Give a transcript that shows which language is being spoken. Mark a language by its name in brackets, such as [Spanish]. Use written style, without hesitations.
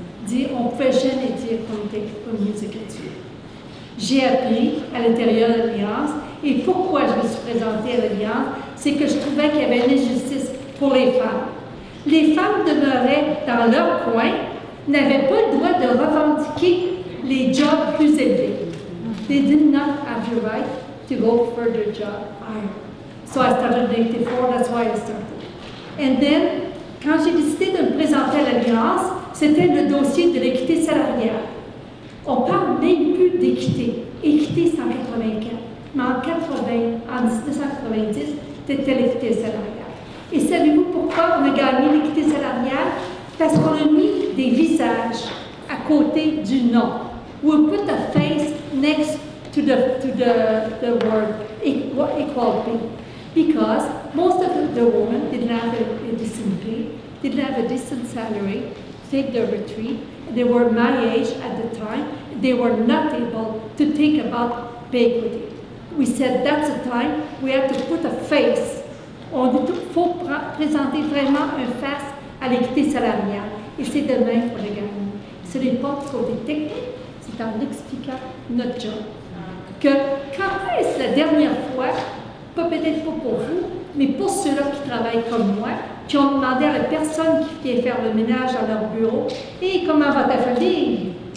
[French] On peut jamais dire qu'on était comme une secrétaire. J'ai appris à l'intérieur de l'Alliance et pourquoi je me suis présentée à l'Alliance, c'est que je trouvais qu'il y avait une injustice pour les femmes. Les femmes demeuraient dans leur coin, n'avaient pas le droit de revendiquer les jobs plus élevés. [English] They did not have the right to go for their job higher. So I started in 84, that's why I started. And then, [French] quand j'ai décidé de me présenter à l'Alliance, c'était le dossier de l'équité salariale. On parle même plus d'équité. Équité 184. Mais en 1990, c'était l'équité salariale. Et savez-vous pourquoi on a gagné l'équité salariale? Parce qu'on a mis des visages à côté du nom. [English] We put a face next to the word equality. Because most of the women didn't have a decent pay, didn't have a decent salary, take their retreat. They were my age at the time. They were not able to think about pay equity. We said that's the time we have to put a face. [French] On dit qu'il faut présenter vraiment un face à l'équité salariale. Et c'est de même pour les gamins. Ce n'est pas trop des techniques, c'est en expliquant notre job. Que quand est-ce la dernière fois, peut-être pas pour vous, mais pour ceux-là qui travaillent comme moi, qui ont demandé à la personne qui vient faire le ménage à leur bureau, et comment va ta famille?